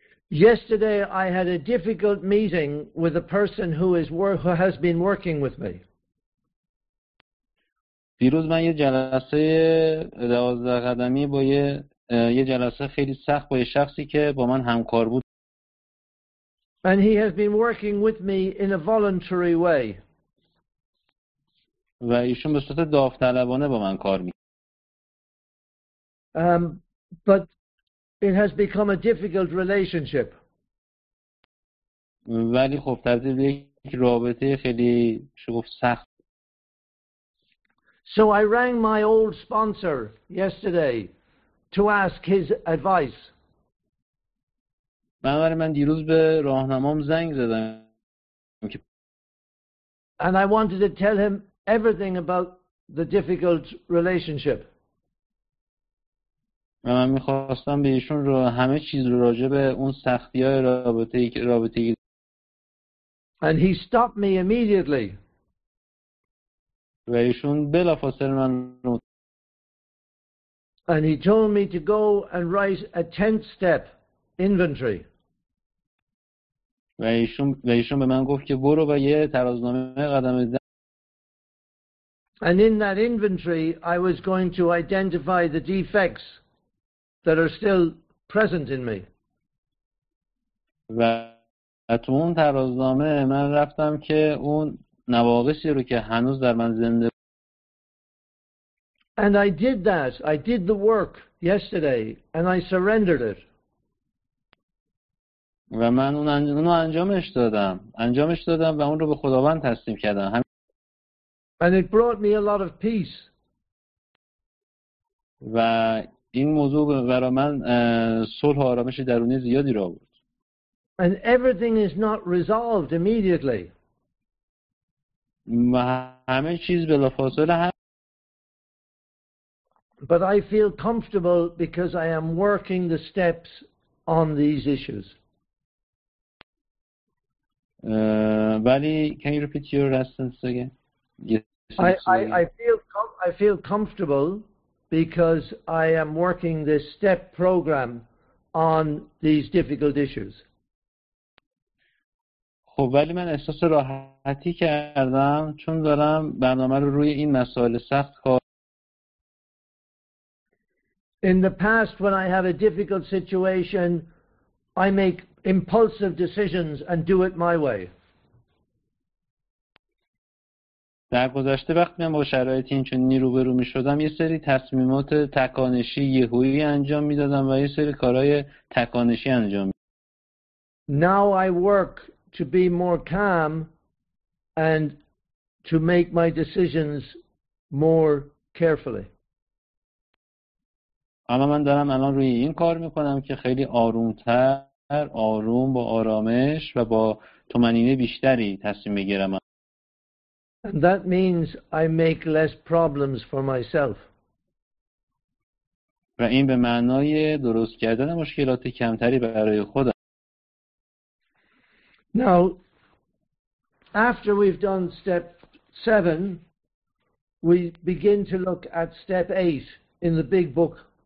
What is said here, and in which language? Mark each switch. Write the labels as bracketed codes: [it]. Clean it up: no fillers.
[en] Yesterday I had a difficult meeting with a person who has been working with me. [fa] دیروز من یه جلسه 12 قدمی با یه جلسه خیلی سخت با یه شخصی که با من همکار بود. [en] And he has been working with me in a voluntary way. [fa] و ایشون به صورت داوطلبانه با من کار می‌کرد. [en] But it has become a difficult relationship. [fa] ولی خب تبدیل به یک رابطه خیلی شگفت سخت. [en] So I rang my old sponsor yesterday to ask his advice. [fa] من دیروز به راهنمام زنگ زدم. [en] And I wanted to tell him everything about the difficult relationship. [fa] و من میخواستم به ایشون رو همه چیز رو راجع به اون سختی های رابطه ای [en] And he stopped me immediately. [fa] و ایشون بلا فاصله من رو [en] And he told me to go and write a 10th step inventory. [fa] و ایشون به من گفت که برو و یه ترازنامه قدم ده. [en] And in that inventory I was going to identify the defects that are still present in me. [fa] و تو اون ترازنامه من رفتم که اون نواقصی رو که هنوز در من زنده. [en] And I did that. I did the work yesterday and I surrendered it. [fa] و من اونو انجامش دادم. انجامش دادم و اون رو به خداوند تسلیم کردم. [en] And it brought me a lot of peace. [fa] و این موضوع برای من صلح و آرامش درونی زیادی را آورد. [en] And everything is not resolved immediately. [fa] و همه چیز بلافاصله هم [en] But I feel comfortable because I am working the steps on these issues. Vali, can you repeat your sentence again? I feel comfortable because I am working this step program on these difficult issues. [fa] خب ولی من احساس راحتی کردم چون دارم برنامه رو روی این مسائل سخت کار [en] In the past, when I have a difficult situation, I make impulsive decisions and do it my way. [fa] در گذشته وقتی من با شرایطی اینچنینی روبرو می شدم، یه سری تصمیمات تکانشی یهویی انجام می دادم و یه سری کارهای تکانشی انجام می دادم. [en] Now I work to be more calm and to make my decisions more carefully. [fa] اما من دارم الان روی این کار میکنم که خیلی آرومتر، آروم با آرامش و با تمنینه بیشتری تصمیم بگیرم. [en] And that means I make less problems for myself. [fa] و این به معنای درست کردن مشکلات کمتری برای خودم. [en] Now, after we've done step 7, we begin to look at step 8 in the big book.